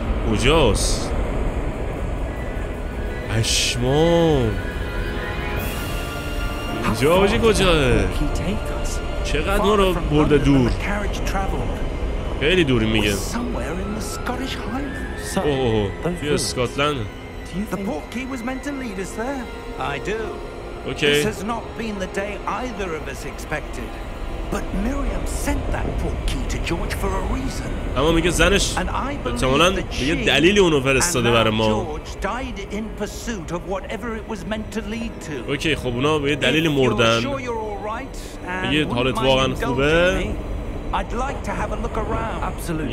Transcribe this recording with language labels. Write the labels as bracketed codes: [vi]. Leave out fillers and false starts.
[fa] کجاست؟ پشمام اینجا آجی کجاه؟ چقدر ما رو برده دور؟ خیلی دوری میگه. اوه توی اسکاتلند. [en] The portkey was meant to lead us there. I do. Okay. This has not been the day either of us expected. But Miriam sent that portkey to George for a reason. [fa] اما میگه زنش احتمالاً یه دلیلی اونو فرستاده برای ما. [en] George died in pursuit of whatever it was meant to lead to. [fa] Okay, خب اونا به یه دلیلی مردن. میگه حالت واقعا خوبه؟ [en] I'd like to have a look around. Absolutely.